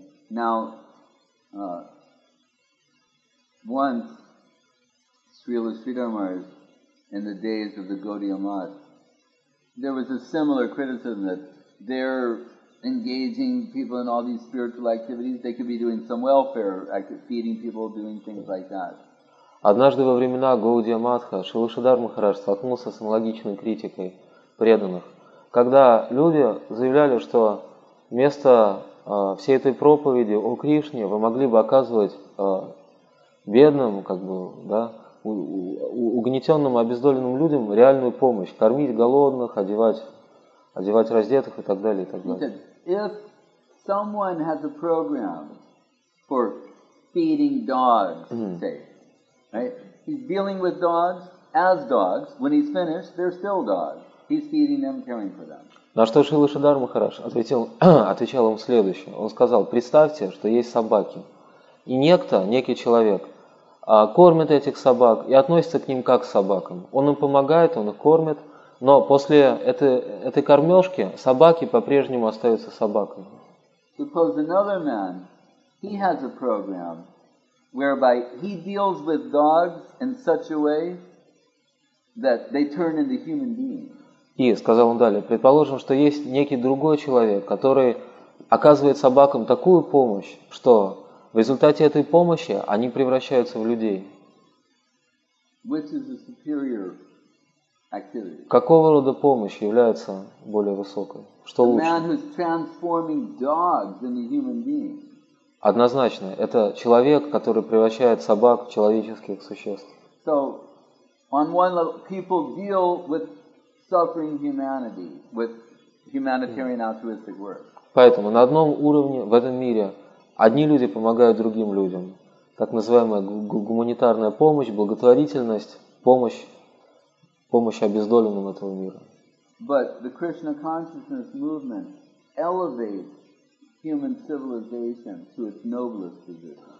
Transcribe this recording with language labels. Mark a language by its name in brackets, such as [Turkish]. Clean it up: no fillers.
[English] Now, once Srila Sridhar Maharaj, in the days of the Gaudiya Math, there was a similar criticism that they're engaging people in all these spiritual activities, they could be doing some welfare, feeding people, doing things like that. [Russian] Однажды во времена Гаудия Матха Шрила Шридхар Махарадж столкнулся с аналогичной критикой преданных, когда люди заявляли, что вместо всей этой проповеди о Кришне вы могли бы оказывать бедным, как бы, да, угнетенным, обездоленным людям реальную помощь, кормить голодных, одевать раздетых и так далее, и так далее. [English] If someone has a program for feeding dogs, say, right? He's dealing with dogs as dogs. When he's finished, they're still dogs. He's feeding them, caring for them. [Russian] На что Шрила Шридхар Махарадж отвечал им следующее. Он сказал, представьте, что есть собаки. И некий человек, кормит этих собак и относится к ним как к собакам. Он им помогает, он их кормит. Но после этой кормежки собаки по-прежнему остаются собаками. [English] Suppose another man, he has a program whereby he deals with dogs in such a way that they turn into human beings. [Russian] И сказал он далее, предположим, что есть некий другой человек, который оказывает собакам такую помощь, что в результате этой помощи они превращаются в людей. [English] Which is a superior activity? [Russian] Какого рода помощь является более высокой? Что лучше? [English] The man who's transforming dogs into human beings. [Russian] Однозначно, это человек, который превращает собак в человеческих существ. [English] So, on one level, people deal with suffering humanity, with humanitarian altruistic work. [Russian] Поэтому на одном уровне в этом мире одни люди помогают другим людям. Так называемая гуманитарная помощь, благотворительность, помощь обездоленным этого мира. [English] But the Krishna consciousness movement elevates human civilization to its noblest position.